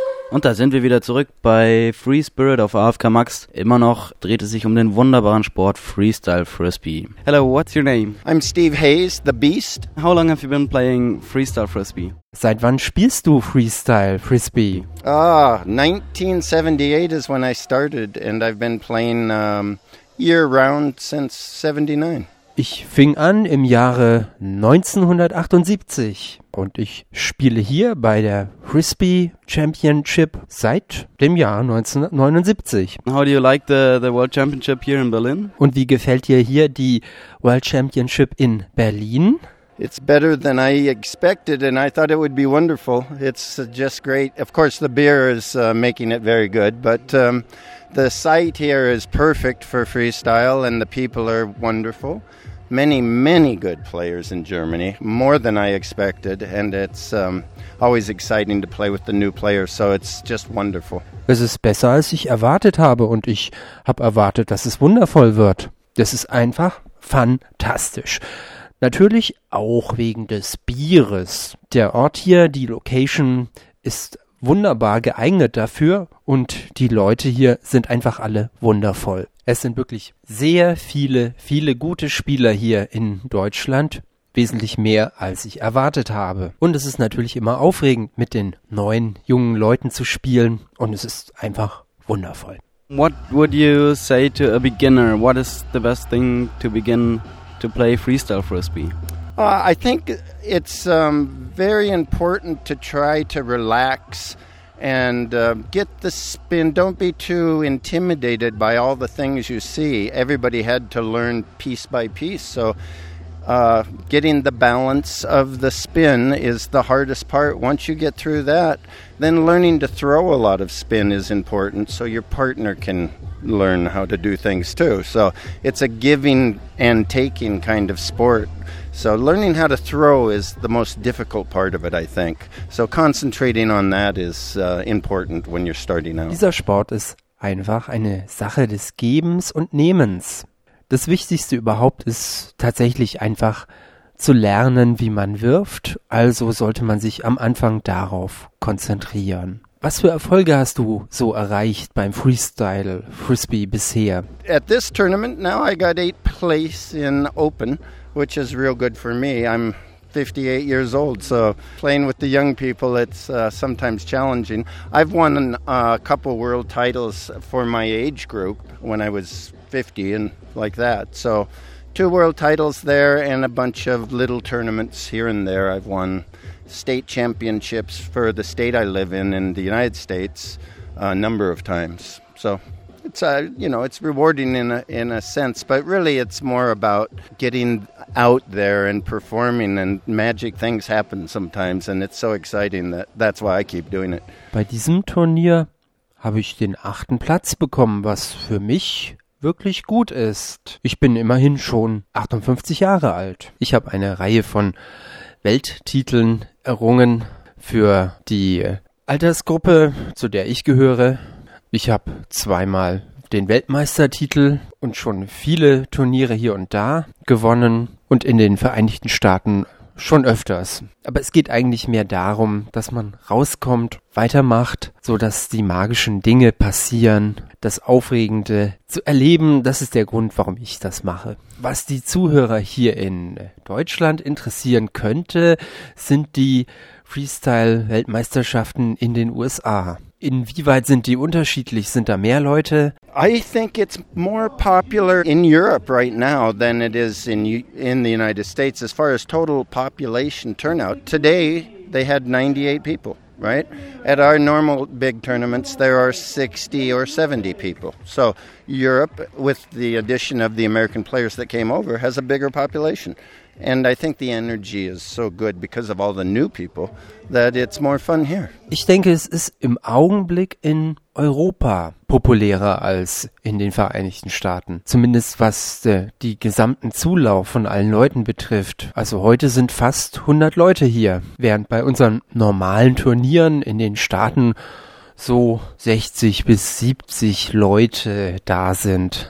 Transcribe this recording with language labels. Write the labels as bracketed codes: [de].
[de] Und da sind wir wieder zurück bei Free Spirit of AFK Max. Immer noch dreht es sich um den wunderbaren Sport Freestyle Frisbee. [en] Hello, what's your name? I'm Steve Hayes, the Beast. How long have you been playing Freestyle Frisbee? [de] Seit wann spielst du Freestyle Frisbee? [en] 1978 is when I started and I've been playing year-round since 79. [de] Ich fing an im Jahre 1978 und ich spiele hier bei der Frisbee Championship seit dem Jahr 1979. [en] How do you like the World Championship here in Berlin? [de] Und wie gefällt dir hier die World Championship in Berlin? [en] It's better than I expected and I thought it would be wonderful. It's just great. Of course the beer is making it very good, but the site here is perfect for freestyle and the people are wonderful. Many, many good players in Germany, more than I expected, and it's always exciting to play with the new players, so it's just wonderful. [de] Es ist besser, als ich erwartet habe, und ich habe erwartet, dass es wundervoll wird. Das ist einfach fantastisch. Natürlich auch wegen des Bieres. Der Ort hier, die Location, ist wunderbar geeignet dafür, und die Leute hier sind einfach alle wundervoll. Es sind wirklich sehr viele, viele gute Spieler hier in Deutschland. Wesentlich mehr, als ich erwartet habe. Und es ist natürlich immer aufregend, mit den neuen, jungen Leuten zu spielen. Und es ist einfach wundervoll. [en] What would you say to a beginner? What is the best thing to begin to play Freestyle Frisbee? I think it's very important to try to relax and get the spin. Don't be too intimidated by all the things you see. Everybody had to learn piece by piece, so getting the balance of the spin is the hardest part. Once you get through that, then learning to throw a lot of spin is important, so your partner can learn how to do things too. So it's a giving and taking kind of sport. So learning how to throw is the most difficult part of it, I think. So concentrating on that is important when you're starting out. [de] Dieser Sport ist einfach eine Sache des Gebens und Nehmens. Das Wichtigste überhaupt ist tatsächlich einfach zu lernen, wie man wirft. Also sollte man sich am Anfang darauf konzentrieren. Was für Erfolge hast du so erreicht beim Freestyle Frisbee bisher? [en] At this tournament, now I got 8th place in Open. Which is real good for me. I'm 58 years old, so playing with the young people, it's sometimes challenging. I've won a couple world titles for my age group when I was 50 and like that. So 2 world titles there and a bunch of little tournaments here and there. I've won state championships for the state I live in the United States, a number of times. So it's you know, it's rewarding in a sense, but really it's more about getting out there and performing, and magic things happen sometimes, and it's so exciting that's why I keep doing it. [de] Bei diesem Turnier habe ich den 8. Platz bekommen, was für mich wirklich gut ist. Ich bin immerhin schon 58 Jahre alt. Ich habe eine Reihe von Welttiteln errungen für die Altersgruppe, zu der ich gehöre. Ich habe 2-mal den Weltmeistertitel und schon viele Turniere hier und da gewonnen und in den Vereinigten Staaten schon öfters. Aber es geht eigentlich mehr darum, dass man rauskommt, weitermacht, sodass die magischen Dinge passieren, das Aufregende zu erleben. Das ist der Grund, warum ich das mache. Was die Zuhörer hier in Deutschland interessieren könnte, sind die Freestyle-Weltmeisterschaften in den USA. Inwieweit sind die unterschiedlich? Sind da mehr Leute? [en] I think it's more popular in Europe right now than it is in the United States as far as total population turnout. Today, they had 98 people, right? At our normal big tournaments, there are 60 or 70 people. So Europe, with the addition of the American players that came over, has a bigger population. And I think the energy is so good because of all the new people that it's more fun here. [de] Ich denke, es ist im Augenblick in Europa populärer als in den Vereinigten Staaten. Zumindest was die gesamten Zulauf von allen Leuten betrifft. Also heute sind fast 100 Leute hier, während bei unseren normalen Turnieren in den Staaten so 60 bis 70 Leute da sind.